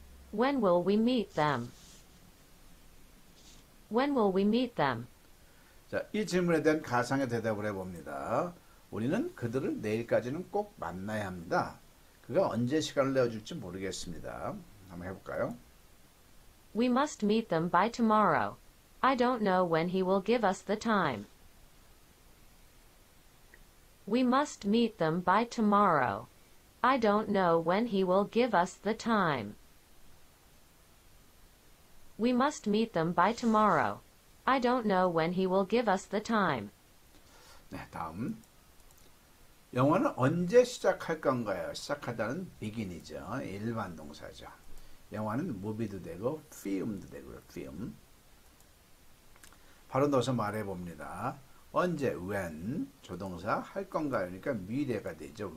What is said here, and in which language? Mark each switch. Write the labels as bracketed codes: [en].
[en] When will we meet them? When will we meet them? [ko] 자, 이 질문에 대한 가상의 대답을 해봅니다. 우리는 그들을 내일까지는 꼭 만나야 합니다. 그가 언제 시간을 내어줄지 모르겠습니다. 한번 해볼까요? [en] We must meet them by tomorrow. I don't know when he will give us the time. We must meet them by tomorrow. I don't know when he will give us the time. We must meet them by tomorrow. I don't know when he will give us the time. [ko] 네, 다음. 영어는 언제 시작할 건가요? 시작하다는 begin이죠. 일반 동사죠. 영화는 movie도 되고 film도 되고요. film. 바로 넣어서 말해 봅니다. 언제 when 조동사 할 건가요? 그러니까 미래가 되죠.